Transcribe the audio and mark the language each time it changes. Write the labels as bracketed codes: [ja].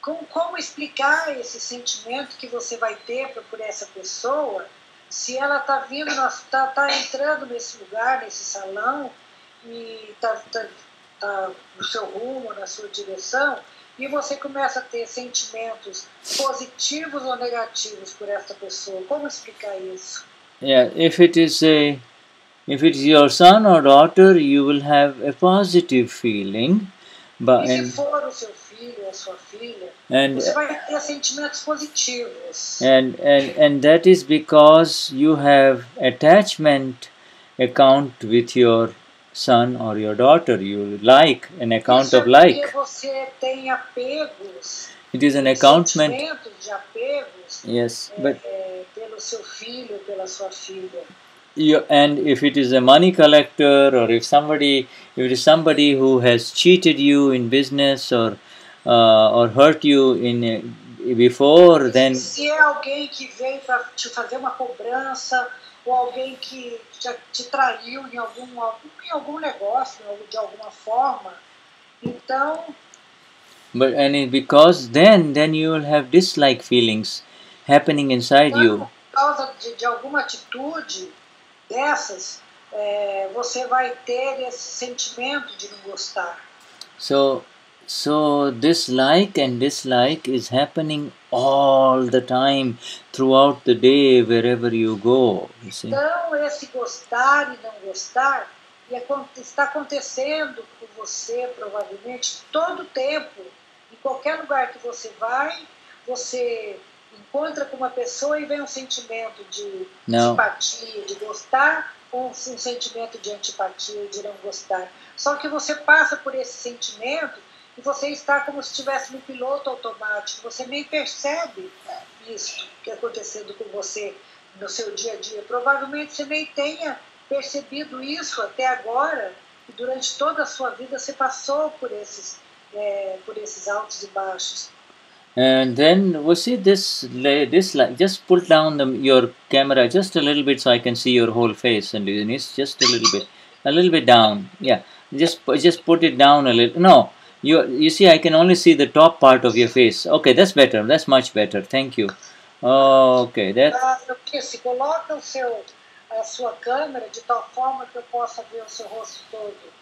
[pt] Como explicar esse sentimento que você vai ter por essa pessoa se ela está vindo, tá entrando nesse lugar, nesse salão, e tá no seu rumo, na sua direção, e você começa a ter sentimentos positivos ou negativos por essa pessoa? Como explicar isso? [en] Yeah, if it is your son or daughter, you will have a positive feeling. But, [pt] e se for o seu filho ou a sua filha, and, você vai ter sentimentos positivos. [en] And that is because you have attachment account with your son or your daughter. You like an account of like. [pt] Isso é porque você tem apegos. [en] It is an account. [pt] Sentimentos de apegos. [en] Yes, but [pt] pelo seu filho ou pela sua filha. [en] And if it is a money collector, or if it is somebody who has cheated you in business, or hurt you in before, then. [pt] Se é alguém que veio para te fazer uma cobrança, ou alguém que te traiu em algum negócio, de alguma forma, então. [en] But and it, because then you will have dislike feelings happening inside you. [pt] Por causa de alguma atitude dessas, você vai ter esse sentimento de não gostar. [en] So this like and dislike is happening all the time throughout the day wherever you go. You see? [pt] Então esse gostar e não gostar está acontecendo com você provavelmente todo o tempo. Em qualquer lugar que você vai, você encontra com uma pessoa e vem um sentimento de simpatia, de gostar, ou um sentimento de antipatia, de não gostar. Só que você passa por esse sentimento e você está como se estivesse no piloto automático. Você nem percebe isso que é acontecendo com você no seu dia a dia. Provavelmente você nem tenha percebido isso até agora, e durante toda a sua vida você passou por esses, por esses altos e baixos. [en] And then, we see this, this light, just pull down the, your camera just a little bit so I can see your whole face, and it's just a little bit down, yeah, just put it down a little, no, you see, I can only see the top part of your face, okay, that's better, that's much better, thank you, okay, that. [pt] Se coloca o seu, a sua câmera de tal forma que eu possa ver o seu rosto todo.